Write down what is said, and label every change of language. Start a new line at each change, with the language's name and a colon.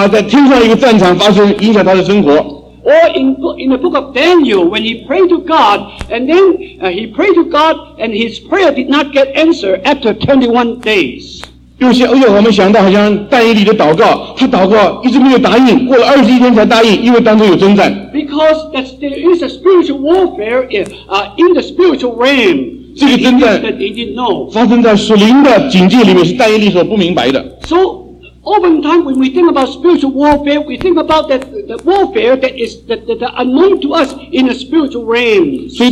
Chinese: 一般当我们讲到基督徒的征战的时候，我们想到就像约伯一样，他在天上一个战场发生，影响他的生活。
English: Or in the book of Daniel, when he prayed to God, and then he prayed to God, and his prayer did not get answered after 21 days.
Chinese: 有些，我们想到好像但以理的祷告，他祷告一直没有答应，过了21天才答应，因为当中有征战。
English: Because there is a spiritual warfare in the spiritual realm.
Chinese: 这个征战发生在属灵的境界里面，是但以理所不明白的。
English: So, often time when we think about spiritual warfare, we think about that the warfare that is that unknown to us in the spiritual realm.